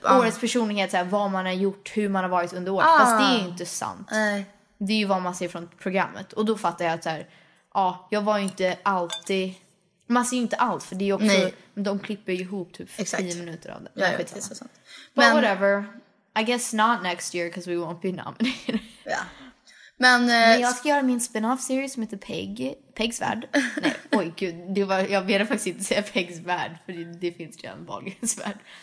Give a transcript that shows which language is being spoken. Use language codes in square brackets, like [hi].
[sv] Ah. Årets personlighet, såhär, vad man har gjort, hur man har varit under året. Ah. Fast det är ju inte sant. Det är ju vad man ser från programmet. Och då fattar jag att såhär, ah, jag var ju inte alltid... Man ser ju inte allt, för det är också... Nej. De klipper ju ihop typ 10 minuter av det. Ja, det är så sant. [en] But whatever. I guess not next year, because we won't be nominated. [sv] Ja. Men jag ska göra min spin-off-serie som heter Pegs värld. Nej, oj gud, det var, jag ber faktiskt inte säga Pegs värld, för det finns ju en Bagens värld.